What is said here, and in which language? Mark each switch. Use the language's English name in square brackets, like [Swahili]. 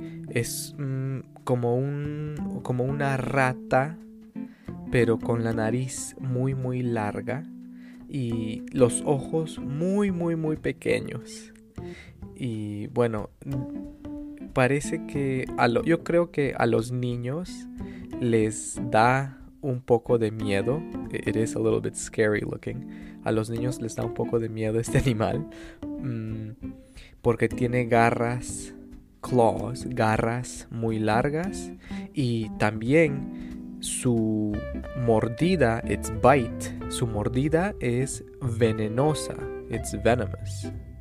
[Spanish] Es como una rata, pero con la nariz muy, muy larga y los ojos muy, muy, muy pequeños. Y bueno, parece que yo creo que a los niños les da un poco de miedo. [English] It is a little bit scary looking. [Spanish] A los niños les da un poco de miedo este animal, porque tiene garras, claws, garras muy largas, y también su mordida, [English] its bite, [Spanish] su mordida es venenosa, [English] it's venomous.